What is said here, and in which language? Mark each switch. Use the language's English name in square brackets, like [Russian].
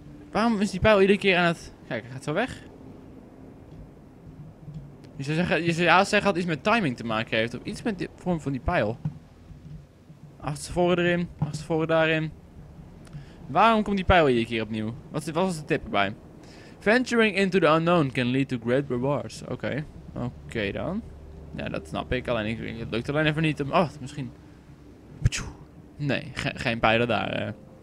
[Dutch] Waarom is die pijl iedere keer aan het... Kijk, hij gaat zo weg. Je zou zeggen dat het iets met timing te maken heeft. Of iets met de vorm van die pijl. Achterste voren erin. Achterste voren daarin. Waarom komt die pijl iedere keer opnieuw? Wat was de tip erbij? [English] Venturing into the unknown can lead to great rewards. [Dutch] Oké dan. Ja, dat snap ik. Alleen het lukt alleen even niet om... Oh, misschien... Nee, geen pijlen daar.